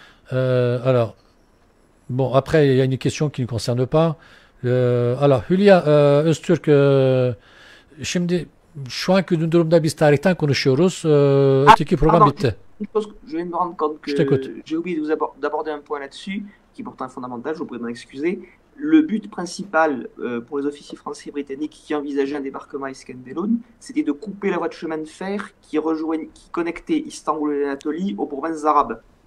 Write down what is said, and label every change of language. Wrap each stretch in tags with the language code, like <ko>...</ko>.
<fr>Alors, bon, après, il y a une question qui ne concerne pas.</fr> <tr>Alors, Hülya Öztürk, şimdi şu anki durumda biz tarihten konuşuyoruz. Öteki program bitti.</tr> <fr>Je viens de me rendre compte que j'ai oublié de vous d'aborder un point là-dessus, qui est pourtant fondamental, je vous prie de m'en excuser. Le but principal pour les officiers français et britanniques qui envisageaient un débarquement à Iskenderun, c'était de couper la voie de chemin de fer qui connectait Istanbul et l'Anatolie aux provinces arabes.</fr>